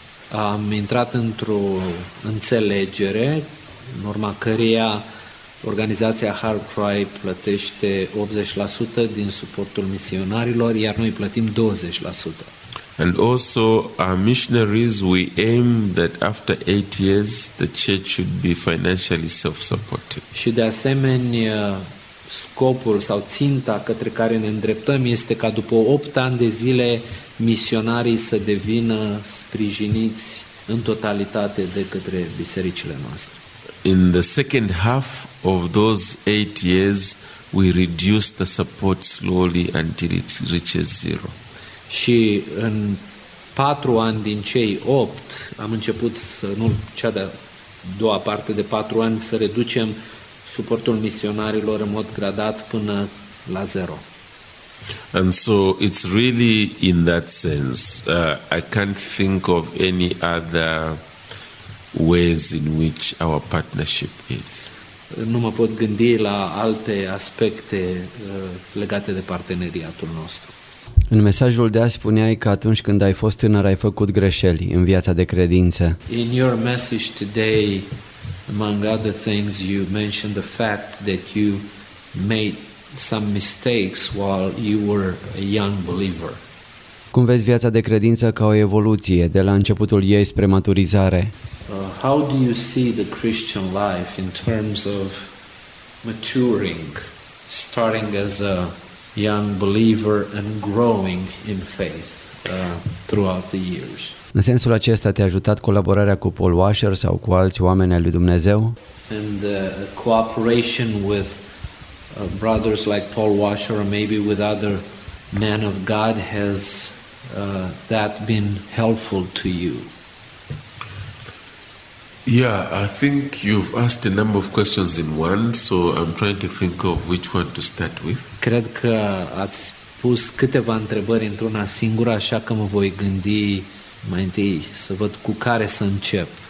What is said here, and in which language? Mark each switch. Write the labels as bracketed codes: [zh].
[ro] Am intrat într-o înțelegere în urma căreia organizația Hard Cry plătește 80% din suportul misionarilor, iar noi plătim 20%. [en] And also our missionaries, we aim that after 8 years the church should be financially self-supporting. [ro] Și de asemenea scopul sau ținta către care ne îndreptăm este ca după 8 ani de zile misionarii să devină sprijiniți în totalitate de către bisericile noastre. [en] In the second half of those 8 years we reduce the support slowly until it reaches zero. [ro] Și în 4 ani din cei 8 am început să nu cea de-a doua parte de 4 ani să reducem suportul misionarilor în mod gradat până la zero. [en] And so it's really in that sense I can't think of any other ways in which our partnership is. [ro] Nu mă pot gândi la alte aspecte legate de parteneriatul nostru. În mesajul de azi spuneai că atunci când ai fost tânăr ai făcut greșeli în viața de credință. [en] In your message today, among other things, you mentioned the fact that you made some mistakes while you were a young believer. [ro] Cum vezi viața de credință ca o evoluție de la începutul ei spre maturizare? [en] How do you see the Christian life in terms of maturing, starting as a young believer and growing in faith throughout the years? [ro] În sensul acesta, te-a ajutat colaborarea cu Paul Washer sau cu alți oameni ai lui Dumnezeu? [en] And cooperation with brothers like Paul Washer or maybe with other men of God, has that been helpful to you? Yeah, I think you've asked a number of questions in one, so I'm trying to think of which one to start with. [ro] Cred că ați pus câteva întrebări într-una singură, așa că mă voi gândi mai întâi să văd cu care să încep.